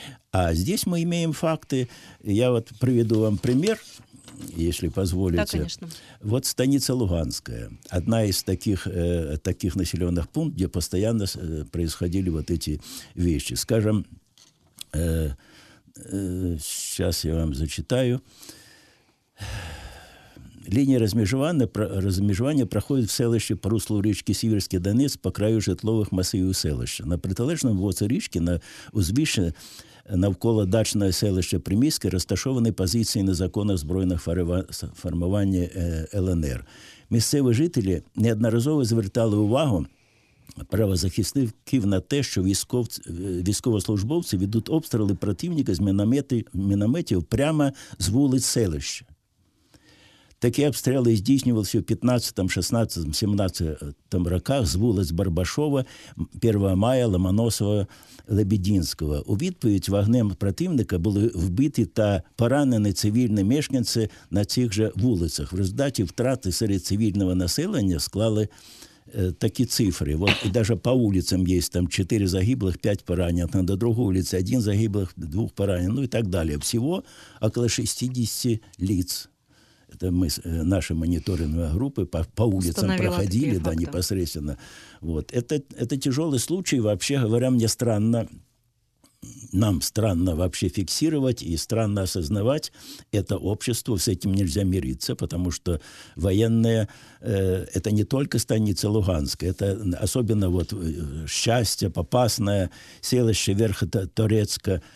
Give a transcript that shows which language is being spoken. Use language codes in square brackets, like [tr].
[ru] А здесь мы имеем факты. Я вот приведу вам пример, если позволите. Да, конечно. Вот станица Луганская. Одна из таких населенных пунктов, где постоянно происходили вот эти вещи. Скажем, сейчас я вам зачитаю. [uk] Линия размежевания проходит в селище по руслу річки Сіверський Донець по краю житлових масивів селища. На протилежному боці річки на узвіші навколо дачного селища Приміське розташовані позиції незаконних збройних формувань ЛНР. Місцеві жителі неодноразово звертали увагу правозахисників на те, що військовослужбовці ведуть обстріли противника з мінометів прямо з вулиць селища. Такі обстріли здійснювалися у 15, 16, 17 роках з вулиць Барбашова, 1 Мая, Ломоносова, Лебединського. У відповідь вогнем противника були вбиті та поранені цивільні мешканці на цих же вулицях. В результаті втрати серед цивільного населення склали такі цифри. Вот, і навіть по вулицям є там 4 загиблих, 5 поранених. На другу вулиці 1 загиблих, 2 поранених, ну і так далі. Всього [ru] около [uk] 60 ліц. [ru] Это мы, наши мониторинговые группы по улицам установила проходили, да, факты непосредственно. Вот. Это тяжелый случай, вообще говоря, мне странно, нам странно вообще фиксировать и странно осознавать это общество, с этим нельзя мириться, потому что военные, это не только станица Луганская, это особенно вот Счастье, Попасное, селище Верхоторецка.